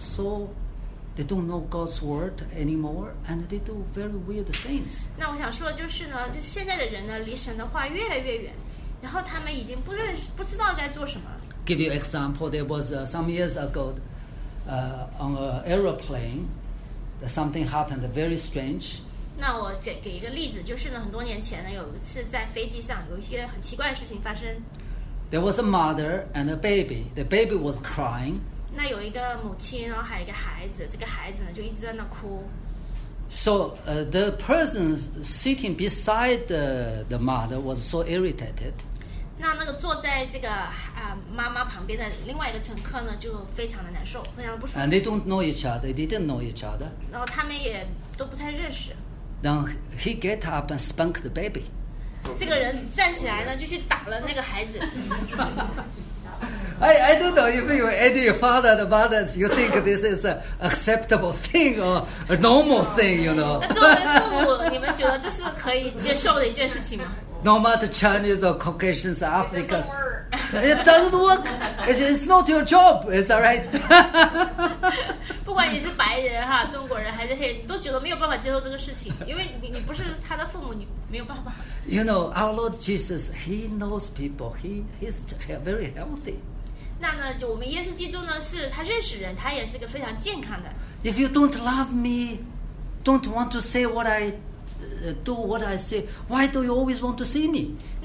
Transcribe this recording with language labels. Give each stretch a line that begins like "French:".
English: So they don't know God's word anymore, and they do very weird things.
Chinese: 那我想说就是呢，就现在的人呢，离神的话越来越远，然后他们已经不知道该做什么。
English: Give you example. There was some years ago, on an aeroplane, something happened very strange.
Chinese: 那我给一个例子，就是呢，很多年前呢，有一次在飞机上有一些很奇怪的事情发生。
English: There was a mother and a baby. The baby was crying.
Chinese: 那有一个母亲，然后还有一个孩子。这个孩子呢，就一直在那哭。
English: So, the person sitting beside the mother was so irritated.
Chinese: 那个坐在这个妈妈旁边的另外一个乘客呢，就非常的难受，非常不舒服。
English: And they don't know each other. They didn't know each other.
Chinese: 然后他们也都不太认识。
English: Then he get up and spank the baby.
Chinese: 这个人站起来呢就去打了那个孩子。
English: I don't know if you, any father and mothers, you think this is an acceptable thing or a normal thing, you know.
Chinese: 那作为父母，你们觉得这是可以接受的一件事情吗？
English: No matter Chinese or Caucasians, Africans, it doesn't work. It's not your job. It's all right.
Chinese: 不管你是白人哈，中国人还是黑人，你都觉得没有办法接受这个事情，因为你不是他的父母，你没有办法。
English: You know, our Lord Jesus, He knows people. He's very healthy.
Chinese: 那呢，就我们耶稣基督呢，是他认识人，他也是个非常健康的。
English: If you don't love me, don't want to say what I. Do what I say. Why do you always want to see me?